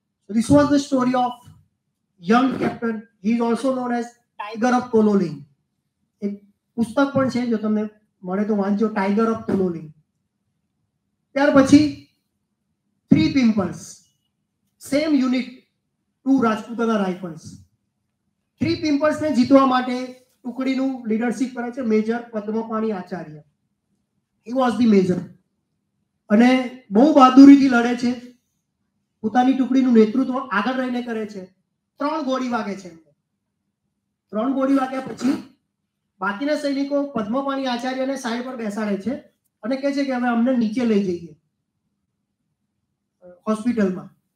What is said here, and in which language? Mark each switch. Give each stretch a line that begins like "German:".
English: This was the story of young captain. He is also known as Tiger of Tololing.
Gujarati: એક પુસ્તક પણ છે, જો તમને મળે તો વાંચો, Tiger of Tololing. ત્યાર પછી
English: Three Pimples, same unit, two Rajputana Rifles.
Gujarati: Three Pimples ને જીતવા માટે ટુકડીનું લીડરશીપ કરે છે major પદ્મપાણી Acharya.
English: He was the major.
Gujarati: અને બહુ બહાદુરીથી લડે છે, પોતાની ટુકડીનું નેતૃત્વ આગળ રહીને કરે છે. ત્રણ ગોળી વાગે છે, ત્રણ ગોળી વાગ્યા પછી બાકીના સૈનિકો પદ્મપાણી આચાર્યને સાઈડ પર બેસાડે છે અને કહે છે કે હવે અમને નીચે લઈ જઈએ હોસ્પિટલમાં.